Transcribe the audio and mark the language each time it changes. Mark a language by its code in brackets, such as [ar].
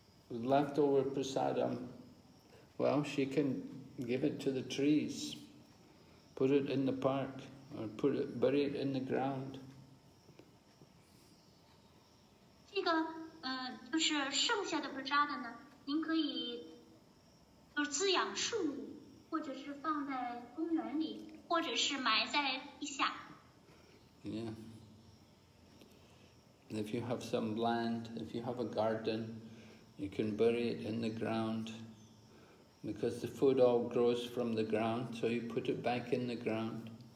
[en] Leftover prasadam, well, she can give it to the trees, put it in the park, or put it, bury it in the ground. [zh] 这个就是剩下的 prasadam 呢，您可以就是滋养树木，或者是放在公园里，或者是埋在地下。 [en] Yeah. If you have some land, if you have a garden. You can bury it in the ground because the food all grows from the ground, so you put it back in the ground.